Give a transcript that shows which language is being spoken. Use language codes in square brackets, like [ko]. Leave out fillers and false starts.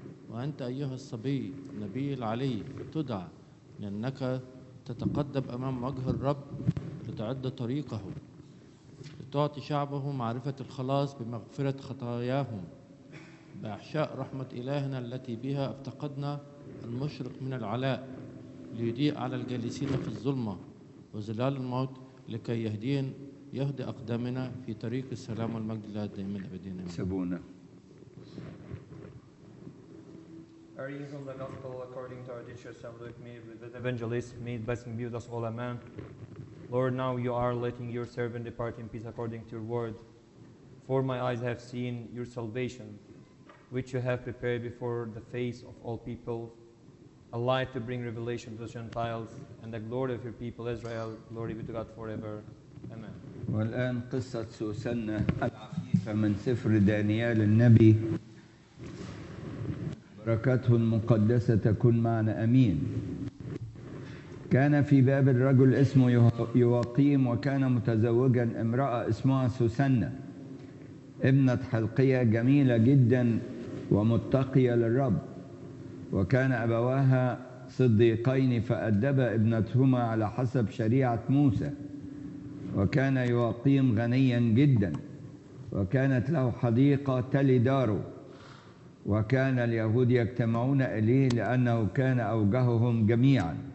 [ar] وأنت أيها الصبي نبي العلي تدعى، لأنك تتقدم أمام وجه الرب لتعد طريقه، لتعطي شعبه معرفة الخلاص بمغفرة خطاياهم بإحشاء رحمة إلهنا التي بها افتقدنا المشرق من العلاء، ليضيء على الجالسين في الظلمة وظلال الموت، لكي يهدي أقدامنا في طريق السلام والمجد دائما أبدين. سبونا. [en] A reading from the Gospel according to our teacher Saint Luke, made with the evangelist, made blessing be with us all, amen. Lord, now you are letting your servant depart in peace according to your word. For my eyes have seen your salvation, which you have prepared before the face of all people, a light to bring revelation to the Gentiles, and the glory of your people Israel. Glory be to God forever. Amen. [ar] والآن قصة سوسنة العفيفة من سفر دانيال النبي. بركته المقدسة تكون معنا أمين. كان في بابل رجل اسمه يواقيم، وكان متزوجا امرأة اسمها سوسنة ابنة حلقية، جميلة جدا ومتقية للرب، وكان أبواها صديقين، فأدب ابنتهما على حسب شريعة موسى، وكان يواقيم غنيا جدا، وكانت له حديقة تلي داره، وكان اليهود يجتمعون إليه لأنه كان أوجههم جميعا.